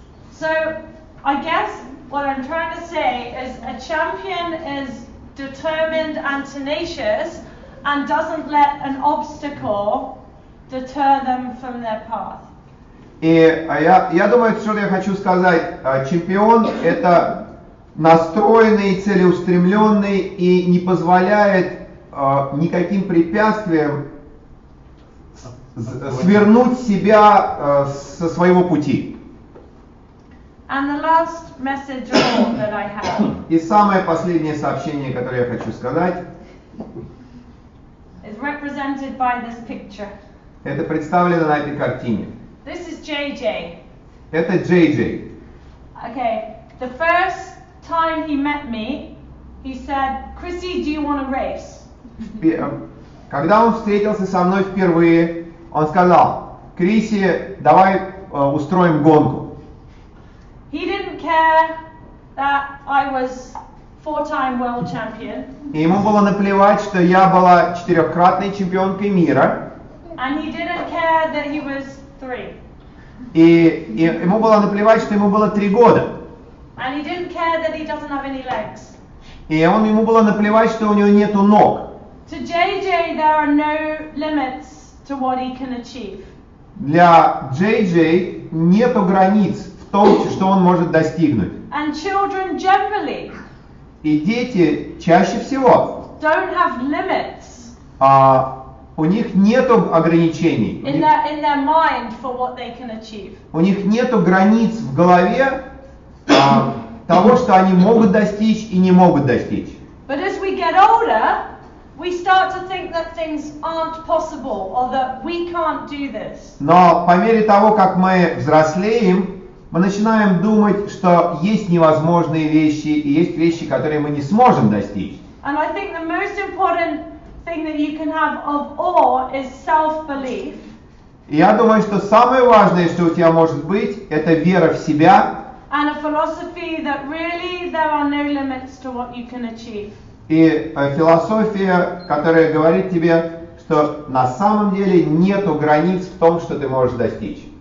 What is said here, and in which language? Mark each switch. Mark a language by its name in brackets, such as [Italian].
[English] So, I guess what I'm trying to say is a champion is determined and tenacious and doesn't let an obstacle deter them from their path. [Russian] И я думаю, что я хочу сказать, чемпион – это настроенный, целеустремленный и не позволяет никаким препятствиям свернуть себя со своего пути. [English] And the last message of all that I have. [Russian] И самое последнее сообщение, которое я хочу сказать, [English] is represented by this picture. [Russian] Это представлено на этой картине. [English] This is JJ. [Russian] Это JJ. [English] Okay. The first time he met me, he said, "Chrissy, do you want to race?" [Russian] Когда он встретился со мной впервые, он сказал, "Крисси, давай устроим гонку." [English] He didn't care that I was 4-time world champion. [Russian] Ему было наплевать, что я была 4-кратной чемпионкой мира. [English] And he didn't care that he was 3. [Russian] И ему было наплевать, что ему было 3 года. [English] And he didn't care that he doesn't have any legs. [Russian] И ему было наплевать, что у него нету ног. [English] To JJ, there are no limits to what he can achieve. [Russian] Для JJ нету границ в том, что он может достигнуть. [English] And children generally. [Russian] И дети чаще всего. [English] Don't have limits. [Russian] У них нету ограничений. [English] In their mind for what they can achieve. [Russian] У них нету границ в голове того, что они могут достичь и не могут достичь. [English] But as we get older, we start to think that things aren't possible or that we can't do this. [Russian] Но по мере того, как мы взрослеем, мы начинаем думать, что есть невозможные вещи и есть вещи, которые мы не сможем достичь. [English] And I think the most important thing that you can have of all is self-belief. [Russian] Я думаю, что самое важное, что у тебя может быть, это вера в себя. [English] And a philosophy that really there are no limits to what you can achieve. [Russian] И философия, которая говорит тебе, что на самом деле нету границ в том, что ты можешь достичь.